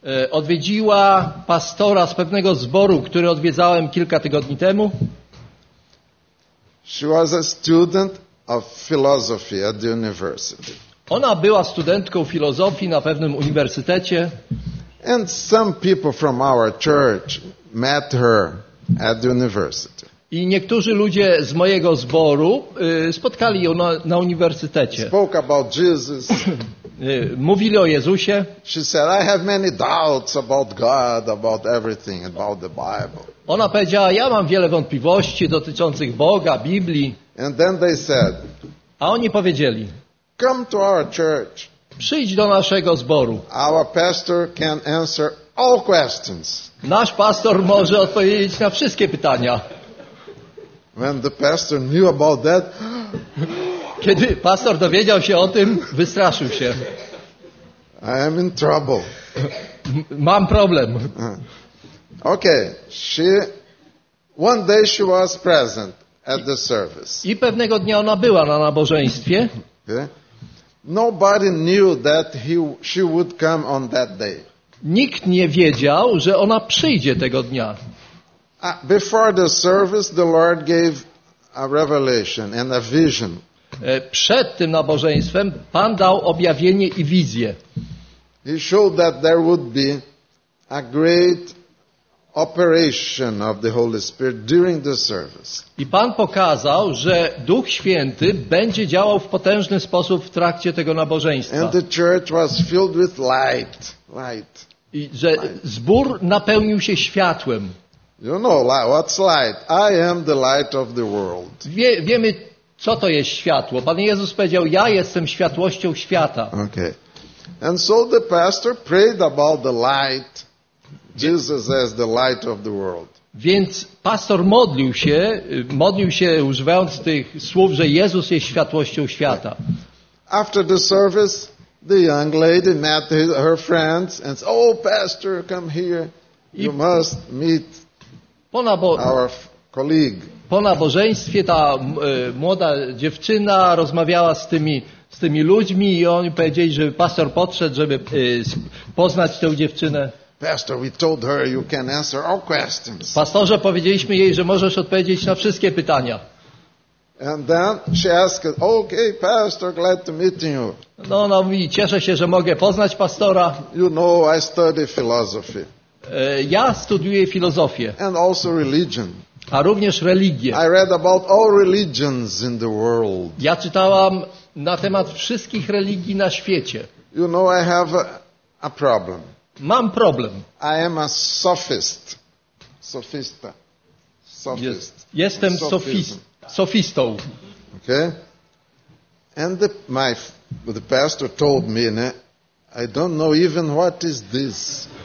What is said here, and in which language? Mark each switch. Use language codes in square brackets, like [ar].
[pl] Odwiedziła pastora z pewnego zboru, który odwiedzałem kilka tygodni temu. [en] She was a student of philosophy at the university. [pl] Ona była studentką filozofii na pewnym uniwersytecie. [en] And some people from our church met her at the university. [pl] I niektórzy ludzie z mojego zboru spotkali ją na uniwersytecie. [en] Spoke about Jesus. [pl] Mówili o Jezusie. [en] She said, I have many doubts about God, about everything, about the Bible. [pl] Ona powiedziała, ja mam wiele wątpliwości dotyczących Boga, Biblii. [en] And then they said, [pl] a oni powiedzieli, [en] come to our church. [pl] Przyjdź do naszego zboru. [en] Our pastor can answer all questions. [pl] Nasz pastor może odpowiedzieć na wszystkie pytania. [en] When the pastor knew about that, [pl] kiedy pastor dowiedział się o tym, wystraszył się. [en] I am in trouble. [pl] Mam problem. [en] Okay, one day she was present at the service. [pl] I pewnego dnia ona była na nabożeństwie. [en] Okay. Nobody knew that she would come on that day. [pl] Nikt nie wiedział, że ona przyjdzie tego dnia. [en] Before the service, the Lord gave a revelation and a vision. [pl] Przed tym nabożeństwem Pan dał objawienie i wizję. [en] He showed that there would be a great operation of the Holy Spirit during the service. [pl] I Pan pokazał, że Duch Święty będzie działał w potężny sposób w trakcie tego nabożeństwa. [en] And the church was filled with light. [pl] I że zbór napełnił się światłem. [en] You know what's light? I am the light of the world. [pl] Wiemy, co to jest światło. Pan Jezus powiedział, ja jestem światłością świata. [en] Okay. And so the pastor prayed about the light. Jesus as the light of the world. [pl] Więc pastor modlił się używając tych słów, że Jezus jest światłością świata. [en] After the service, the young lady met her friends and said, "Oh, pastor, come here. You must meet our colleague." [pl] Po nabożeństwie ta młoda dziewczyna rozmawiała z tymi ludźmi i oni powiedzieli, żeby pastor podszedł, żeby poznać tę dziewczynę. [en] Pastor, we told her you can answer all questions. [pl] Pastorze, powiedzieliśmy jej, że możesz odpowiedzieć na wszystkie pytania. [en] And then she asked, "Okay, pastor, glad to meet you." [pl] No, ona mówi, cieszę się, że mogę poznać pastora. [en] You know, I study philosophy. [pl] Ja studiuję filozofię. [en] And also religion. [pl] A również religię. [en] I read about all religions in the world. [pl] Ja czytałam na temat wszystkich religii na świecie. [en] You know, I have a problem. [pl] Mam problem. [en] I am a sophist. Sophista. Sophist. [pl] Jestem sofistą. [en] Okay. And the pastor told me, I don't know even what is this.